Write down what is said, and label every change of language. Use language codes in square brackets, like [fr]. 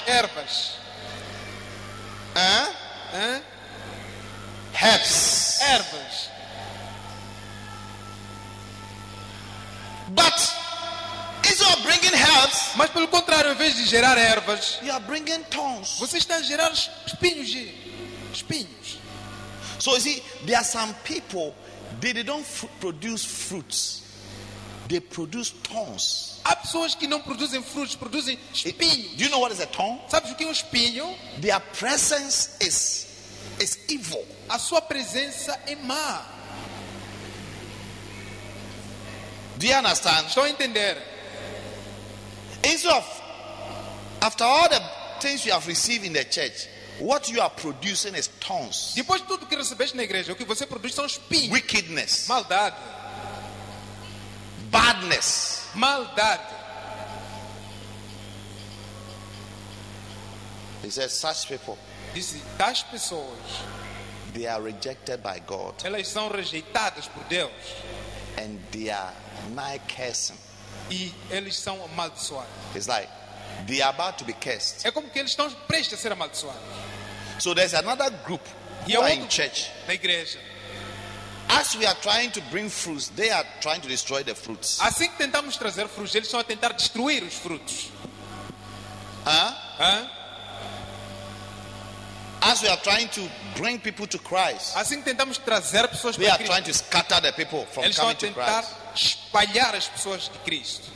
[en] Herbs. [pt] Ervas. [en] But instead of bringing herbs, [pt] mas pelo contrário, em vez de gerar ervas, [en] you are bringing thorns. [pt] Você está a gerar espinhos. [en] So you see, there are some people, they don't produce fruits. They produce thorns. [pt] Há pessoas que não produzem frutos, produzem espinhos. [en] Do you know what is a thorn? [pt] Sabe o que é espinho? [en] Their presence is evil. [pt] A sua presença é má. [en] Do you understand? [pt] Estou a entender. [en] Instead of, after all the things you have received in the church, what you are producing is thorns. [pt] Depois de tudo que recebeste na igreja, o que você produz são espinhos. [en] Wickedness. [pt] Maldade. [en] Badness. [pt] Maldade. [en] He says such people. [pt] Disse tais pessoas. [en] They are rejected by God. [pt] Elas são rejeitadas por Deus. [en] And they are nigh cursing. [pt] E eles são amaldiçoados. [en] It's like they are about to be cursed. [pt] É como que eles estão prestes a ser amaldiçoados. [en] So there's another group who are in church. [pt] Na igreja. [en] As we are trying to bring fruits, they are trying to destroy the fruits. [pt] Assim que tentamos trazer frutos, eles estão a tentar destruir os frutos. [en] As we are trying to bring people to Christ, [pt] assim que tentamos trazer pessoas para Cristo, [en] they are trying to scatter the people from coming to [pt] Christ. Eles estão a tentar espalhar as pessoas de Cristo.